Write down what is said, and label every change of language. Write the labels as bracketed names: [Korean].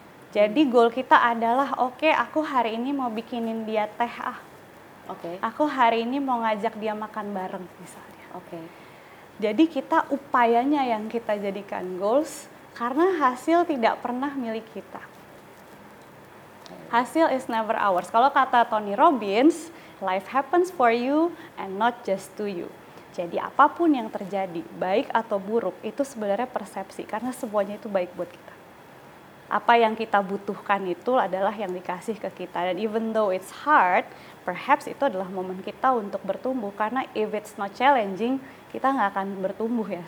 [Indonesian] Jadi goal kita adalah, okay, aku hari ini mau bikinin dia teh ah. Okay. Aku hari ini mau ngajak dia makan bareng misalnya. Okay. Jadi kita upayanya yang kita jadikan goals, karena hasil tidak pernah milik kita. [English] Hasil is never ours. [Indonesian] Kalau kata [English] Tony Robbins, life happens for you and not just to you. [Indonesian] Jadi apapun yang terjadi, baik atau buruk, itu sebenarnya persepsi, karena semuanya itu baik buat kita. Apa yang kita butuhkan itu adalah yang dikasih ke kita. Dan [English] even though it's hard, perhaps [Indonesian] itu adalah momen kita untuk bertumbuh. Karena [English] if it's not challenging, [Indonesian] kita nggak akan bertumbuh ya.